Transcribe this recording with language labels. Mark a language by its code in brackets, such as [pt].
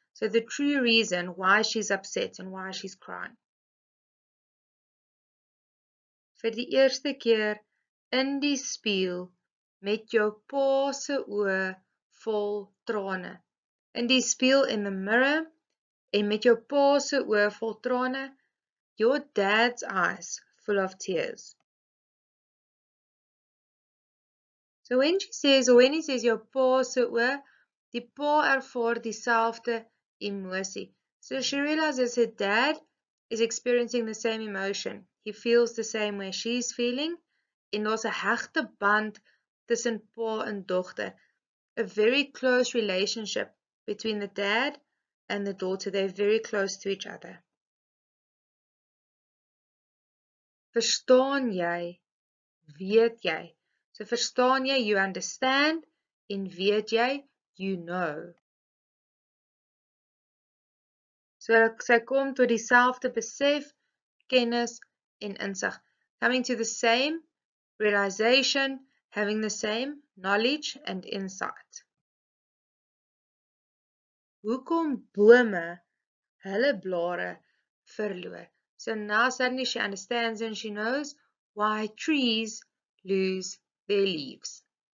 [en] So the true reason why she's upset and why she's crying. [af] Vir die eerste keer in die spieël met jou pa se oë vol trane. In die spieël [en] in the mirror [af] en met jou pa se oë vol trane. [en] Your dad's eyes full of tears. So when she says, or when he says, your [af] pa se oë, die pa ervaar dieselfde emosie. [en] So she realizes her dad is experiencing the same emotion. He feels the same way she's feeling. [af] En daar's 'n hegte band tussen pa en dogter. [en] A very close relationship between the dad and the daughter. They're very close to each other. [af] Verstaan jy, weet jy. So verstaan jy, [en] you understand, [af] en weet jy, [en] you know. [af] So sy kom tot dieselfde besef, kennis en insig. [en] Coming to the same realization, having the same knowledge and insight. [af] Hoekom bome hulle blare verloor? [en] So now suddenly she understands and she knows why trees lose their leaves.